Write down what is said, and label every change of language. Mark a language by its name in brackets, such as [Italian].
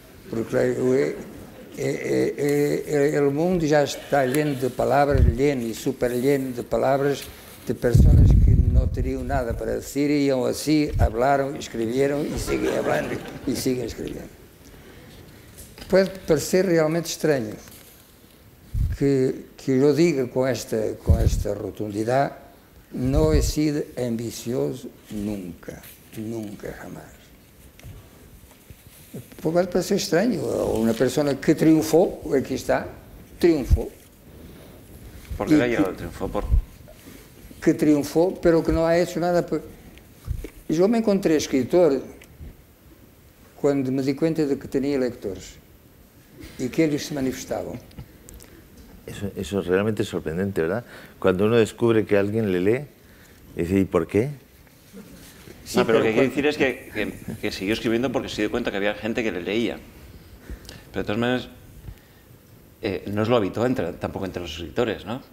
[Spanish] Porque el mundo ya está lleno de palabras, lleno y super lleno de palabras de personas que no tenían nada para decir y aún así hablaron, escribieron y siguen hablando y siguen escribiendo. Puede parecer realmente [Portuguese] estranho [Spanish] que yo diga con esta rotundidad. No he sido ambicioso nunca, nunca jamás. [Portuguese] Pode parecer estranho, uma pessoa que triunfou, aqui está, triunfou. Por que ganhou? Triunfou por... Que triunfou, [Spanish] pero [Portuguese] que não [Spanish] ha hecho [Portuguese] nada por... Eu me encontrei escritor quando [Spanish] me di cuenta [Portuguese] de que tinha leitores e que eles se manifestavam. [Spanish] Eso es realmente sorprendente, ¿verdad? Cuando uno descubre que alguien le lee, dice, ¿y por qué? Sí, no, pero lo que quiero decir es que siguió escribiendo porque se dio cuenta que había gente que le leía. Pero de todas maneras, no es lo habitual tampoco entre los escritores, ¿no?